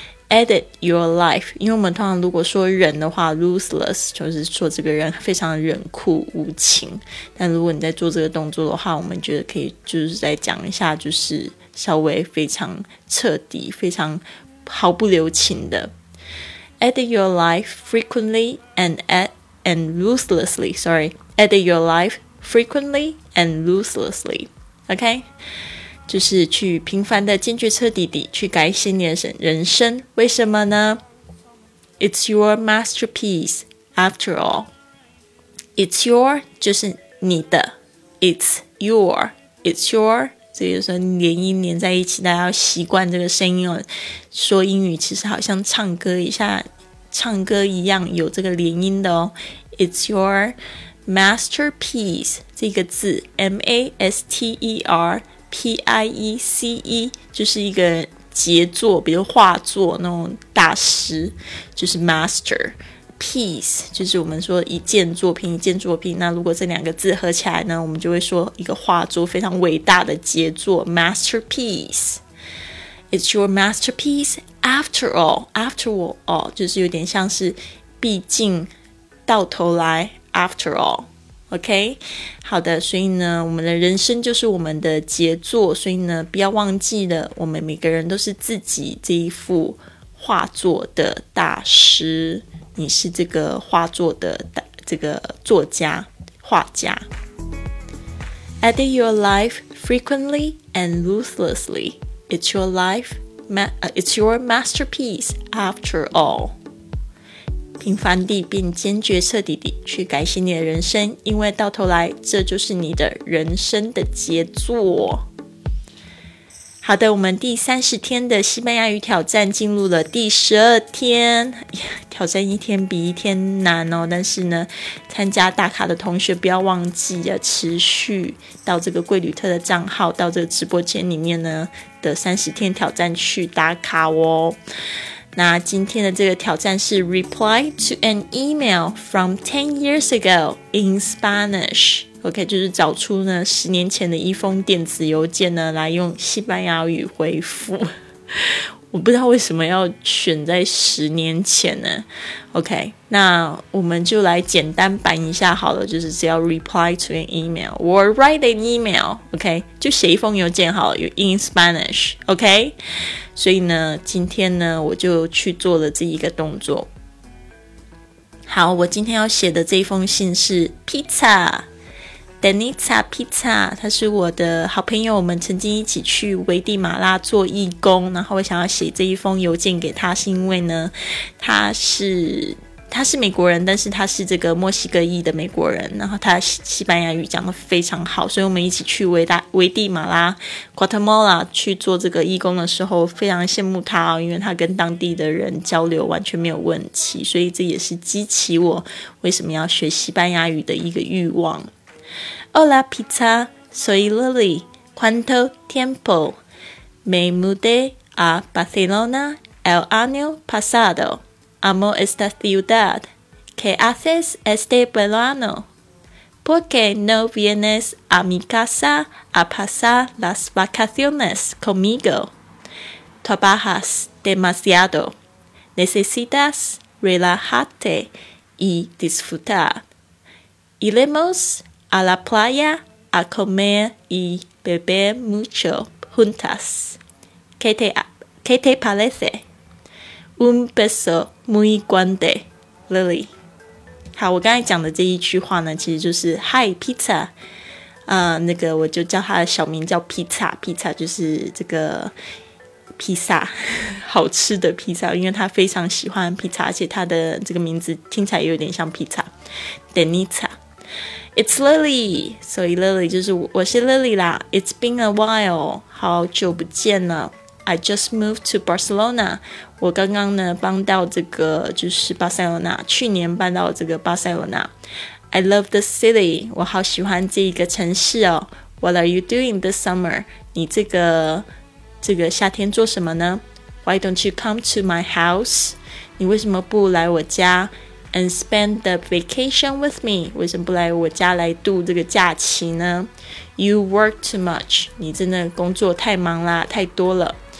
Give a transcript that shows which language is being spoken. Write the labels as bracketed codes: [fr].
[en] Edit your life， [zh] 因为我们通常如果说人的话 ，ruthless 就是说这个人非常冷酷无情。但如果你在做这个动作的话，我们觉得可以就是再讲一下，就是稍微非常彻底、非常毫不留情的。 [en] Edit your life frequently and ruthlessly, sorry, edit your life frequently and ruthlessly, OK? [zh] 就是去频繁的坚决彻底地去改写你的人生，为什么呢？ [en] It's your masterpiece, after all. It's your, [zh] 就是你的， it's your, 这就是连音连在一起，大家要习惯这个声音哦。说英语其实好像唱歌一下，唱歌一样有这个连音的哦。 [en] It's your masterpiece [zh] 这个字 masterpiece 就是一个杰作，比如画作那种大师，就是 masterpiece 就是我们说一件作品，一件作品。那如果这两个字合起来呢，我们就会说一个画作非常伟大的杰作 masterpiece。 [en] It's your masterpiece after all， after all [zh] 就是有点像是毕竟到头来 [en] after all， OK， 好的。 [zh] 所以呢，我们的人生就是我们的杰作，所以呢不要忘记了，我们每个人都是自己这一幅画作的大师，你是这个画作的这个作家画家。 [en] Edit your life frequently and ruthlessly. It's your life it's your masterpiece after all. [zh] 频繁地并坚决彻底地去改写你的人生，因为到头来这就是你的人生的杰作。好的，我们第三十天的西班牙语挑战进入了第十二天，挑战一天比一天难哦。但是呢，参加大卡的同学不要忘记要持续到这个贵旅特的账号，到这个直播间里面呢的三十天挑战去打卡哦。那今天的这个挑战是 [en] Reply to an email from 10 years ago in Spanish。 [zh] OK， 就是找出呢十年前的一封电子邮件呢，来用西班牙语回复。我不知道为什么要选在十年前呢。 OK， 那我们就来简单版一下好了，就是只要 [en] reply to an email [zh] or write an email。 OK， 就写一封邮件好了 ， [en] in Spanish。 [zh] OK， 所以呢，今天呢，我就去做了这一个动作。好，我今天要写的这一封信是 pizza。 Denita Pizza， 他是我的好朋友，我们曾经一起去危地马拉做义工，然后我想要写这一封邮件给他，是因为呢他是美国人，但是他是这个墨西哥裔的美国人，然后他西班牙语讲得非常好，所以我们一起去危地马拉 Guatemala 去做这个义工的时候非常羡慕他，因为他跟当地的人交流完全没有问题，所以这也是激起我为什么要学西班牙语的一个欲望。 [es] Hola, pizza. Soy Lily. ¿Cuánto tiempo? Me mudé a Barcelona el año pasado. Amo esta ciudad. ¿Qué haces este verano? ¿Por qué no vienes a mi casa a pasar las vacaciones conmigo? Trabajas demasiado. Necesitas relajarte y disfrutar. Iremos a la playa a comer y beber mucho juntas. ¿Qué te parece? Un beso muy grande, Lily. [zh] 好，我刚才讲的这一句话呢，其实就是 [en] Hi, pizza. [zh] 那个我就叫他的小名叫 pizza. Pizza 就是这个披萨，好吃的披萨，因为他非常喜欢披萨，而且他的这个名字听起来也有点像披萨 Denita. [en] It's Lily, [zh] 所以 Lily 就是 我是 Lily 啦。 [en] It's been a while, [zh] 好久不见了。 [en] I just moved to Barcelona, [zh] 我刚刚呢搬到这个就是巴塞罗那，去年搬到这个巴塞罗那。 [en] I love the city, [zh] 我好喜欢这一个城市哦。 [en] What are you doing this summer? [zh] 你这个夏天做什么呢？ [en] Why don't you come to my house? [zh] 你为什么不来我家？ [en] And spend the vacation with me. [zh] 为什么不来我家来度这个假期呢？ [en] You work too much. [zh] 你真的工作太忙啦，太多了。